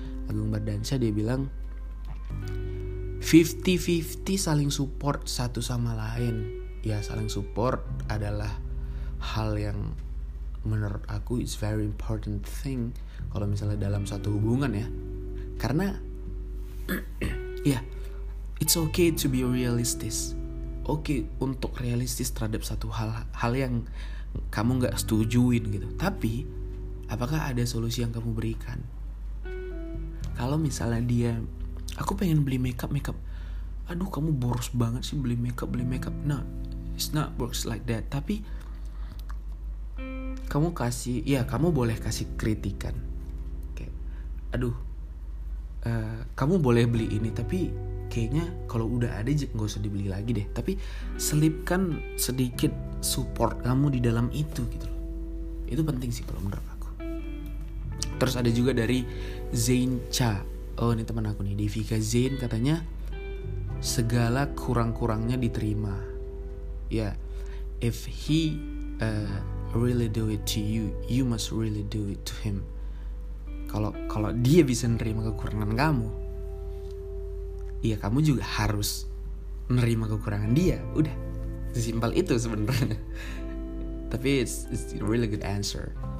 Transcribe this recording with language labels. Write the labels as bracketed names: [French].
[Indonesian] Agung Bardansyah dia bilang 50-50, saling support satu sama lain. Ya, saling support adalah hal yang menurut aku [English] is very important thing [Indonesian] kalau misalnya dalam satu hubungan ya. Karena [English] it's okay to be realistic. [Indonesian] Okay untuk realistis terhadap satu hal yang kamu enggak setujuin gitu. Tapi apakah ada solusi yang kamu berikan? Kalau misalnya dia, aku pengen beli makeup. Aduh, kamu boros banget sih beli makeup. [English] No, it's not works like that. [Indonesian] Tapi kamu kasih, ya kamu boleh kasih kritikan. Kayak, aduh, kamu boleh beli ini, tapi kayaknya kalau udah ada gak usah dibeli lagi deh. Tapi selipkan sedikit support kamu di dalam itu gitu loh. Itu penting sih kalau menurut aku. Terus ada juga dari Zain Cha. Oh, ini teman aku nih, Devika Zain, katanya segala kurang-kurangnya diterima. Ya, yeah. [English] If he really do it to you, you must really do it to him. [Indonesian] kalau kalau dia bisa nerima kekurangan kamu, ya kamu juga harus nerima kekurangan dia. Udah, sesimpel itu sebenarnya. Tapi [English] it's a really good answer.